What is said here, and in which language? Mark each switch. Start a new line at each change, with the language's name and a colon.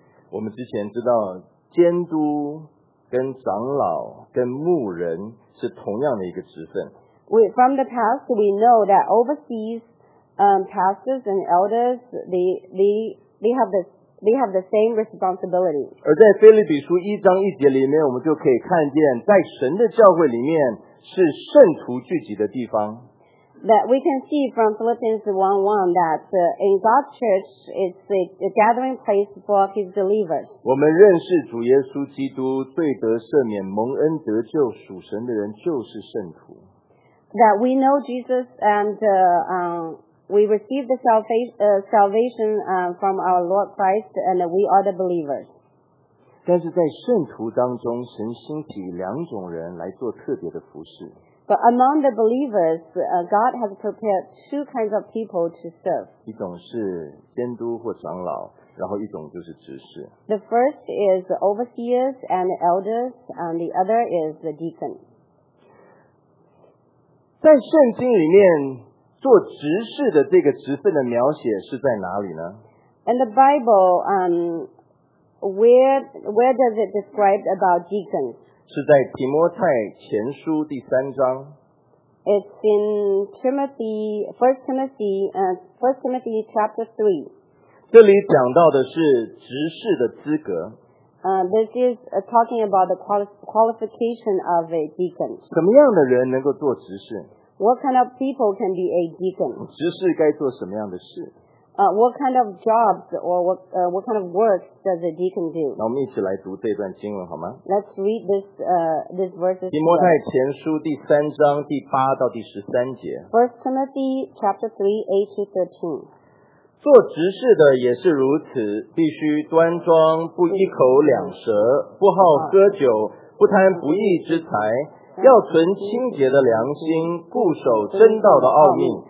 Chinese: 我们之前知道监督。跟长老跟牧人是同样的一个职分。
English: From the past, we know that overseas pastors and elders, they have the same responsibility.
Chinese: 而在腓立比书一章一节里面，我们就可以看见，在神的教会里面是圣徒聚集的地方。
English: That we can see from Philippians 1:1 that in God's church it's a gathering place for His believers.
Chinese: 我们认识主耶稣基督，罪得赦免，蒙恩得救，属神的人就是圣徒。
English: That we know Jesus and we receive the salvation from our Lord Christ and we are the believers.
Chinese: 但是在圣徒当中，神兴起两种人来做特别的服事。
English: But among the believers, God has prepared two kinds of people to serve.
Chinese: 一种是监督或长老，然后一种就是执事。
English: The first is the overseers and elders, and the other is the deacon.
Chinese: 在圣经里面，做执事的这个职分的描写是在哪里呢？
English: In the Bible, where does it describe about deacons?
Chinese: 是在提摩太前书第三章。
English: It's in Timothy, 1 Timothy chapter 3.
Chinese: 这里讲到的是执事的资格。
English: This is talking about the qualification of a deacon.
Chinese: 什么样的人能够做执事？
English: What kind of people can be a deacon?
Chinese: 执事该做什么样的事？
English: What kind of jobs or what kind of works does a deacon do?
Chinese: 那我们一起来读这段经文好吗？
English: Let's read this verse.
Chinese: 提摩太前书第三章第八到第十三节。
English: First Timothy chapter 3, 8 to 13.
Chinese: 做执事的也是如此，必须端庄，不一口两舌，不好喝酒，不贪不义之财，要存清洁的良心，固守真道的奥秘。